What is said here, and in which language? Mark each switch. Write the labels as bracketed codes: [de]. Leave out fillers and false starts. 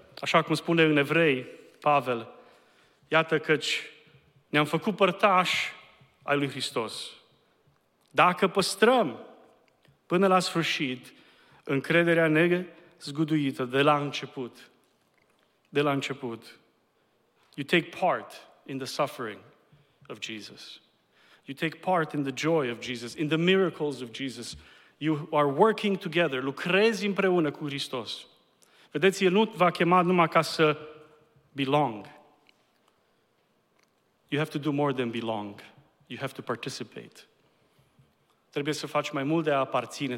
[ro] Așa cum spune în Evrei Pavel, iată căci ne-am făcut părtași ai lui Hristos. Dacă păstrăm până la sfârșit încrederea nezguduită de la început, de la început, [en] you take part in the suffering of Jesus. You take part in the joy of Jesus, in the miracles of Jesus. You are working together, [ro] lucrezi împreună cu Hristos. Vedeți, El nu v-a chemat numai ca să belong. [en] You have to do more than belong. You have to participate. [ro] Trebuie să faci mai mult de a aparține.